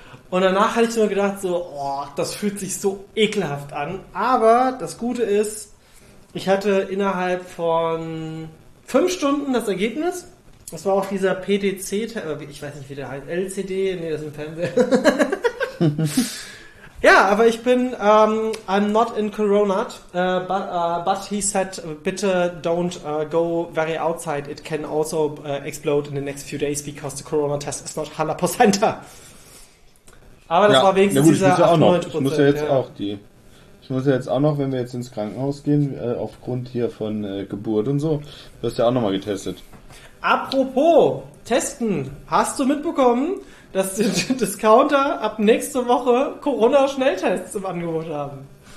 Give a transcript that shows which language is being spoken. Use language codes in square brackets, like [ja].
[de] Und danach hatte ich nur gedacht so, oh, das fühlt sich so ekelhaft an. Aber das Gute ist, ich hatte innerhalb von 5 Stunden das Ergebnis. Das war auch dieser PDC, ich weiß nicht, wie der heißt, LCD, nee, das ist ein Fernseher. Ja, aber ich bin, [en] I'm not in Corona, but he said, bitte don't go very outside, it can also explode in the next few days, because the Corona test is not 100%. [de] Aber das ja, war wenigstens ja gut, dieser 98%. Ich muss ja jetzt auch die, ich muss ja jetzt auch noch, wenn wir jetzt ins Krankenhaus gehen, aufgrund hier von Geburt und so, wirst du ja auch nochmal getestet. Apropos, testen, hast du mitbekommen, dass die Discounter ab nächste Woche Corona-Schnelltests im Angebot haben.